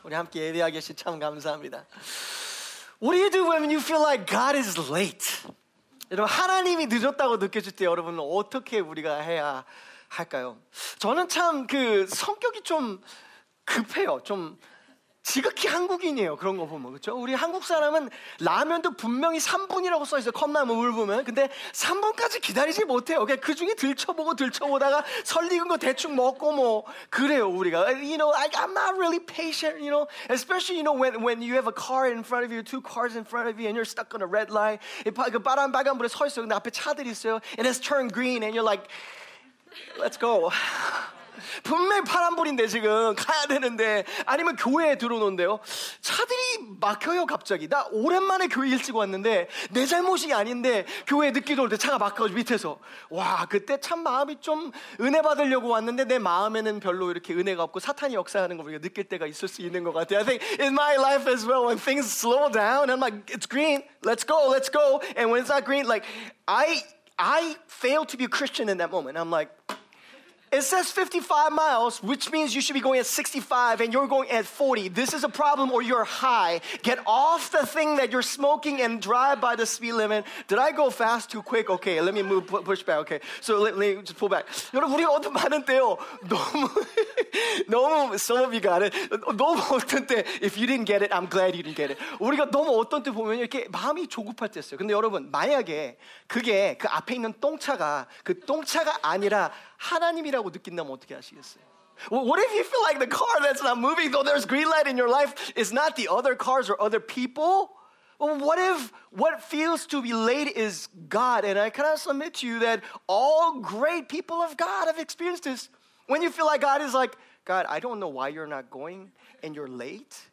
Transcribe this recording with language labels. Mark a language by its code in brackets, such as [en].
[ko] 우리 함께 예배하게 하신 참 감사합니다. [en] What do you do when you feel like God is late? [ko] 여러분, 하나님이 늦었다고 느껴질 때 여러분은 어떻게 우리가 해야 할까요? 저는 참 그 성격이 좀 급해요. 좀 지극히 한국인이에요. 그런 거 보면. 그렇죠? 우리 한국 사람은 라면도 분명히 3분이라고 써 있어요. 컵라면을 보면. 근데 3분까지 기다리지 못해요. 그냥 그 중에 들춰보다가 설익은 거 대충 먹고 뭐 그래요, 우리가. [en] You know, I'm not really patient, you know. Especially, you know, when you have a car in front of you, two cars in front of you, and you're stuck on a red light. [ko] 그 빨간 빨간불에 서 있어요. 근데 앞에 차들이 있어요. [en] And it's turned green, and you're like, let's go. [ko] 분명 파란불인데 지금 가야 되는데 아니면 교회에 들어오는데요 차들이 막혀요 갑자기 나 오랜만에 교회 일찍 왔는데 내 잘못이 아닌데 교회에 늦게 들어올 때 차가 막혀서 밑에서 와 그때 참 마음이 좀 은혜 받으려고 왔는데 내 마음에는 별로 이렇게 은혜가 없고 사탄이 역사하는 걸 우리가 느낄 때가 있을 수 있는 것 같아요 [en] I think in my life as well when things slow down I'm like it's green let's go and when it's not green like I fail to be a Christian in that moment I'm like It says 55 miles, which means you should be going at 65 and you're going at 40. This is a problem or you're high. Get off the thing that you're smoking and drive by the speed limit. Did I go fast too quick? Okay, let me move, push back. Okay, so let me just pull back. [ko] 여러분, 우리가 어떤 반응인데요? [en] 너무, some of you got it. [ko] 너무 어떤 때, [en] if you didn't get it, I'm glad you didn't get it. [ko] 우리가 너무 어떤 때 보면 이렇게 마음이 조급할 때 있어요. 근데 여러분, 만약에 그게 그 앞에 있는 똥차가 그 똥차가 아니라 하나님이라고 느낀다면 어떻게 하시겠어요? [en] What if you feel like the car that's not moving though there's green light in your life is not the other cars or other people? What if what feels to be late is God? And I kind of submit to you that all great people of God have experienced this. When you feel like God is like, God, I don't know why you're not going and you're late.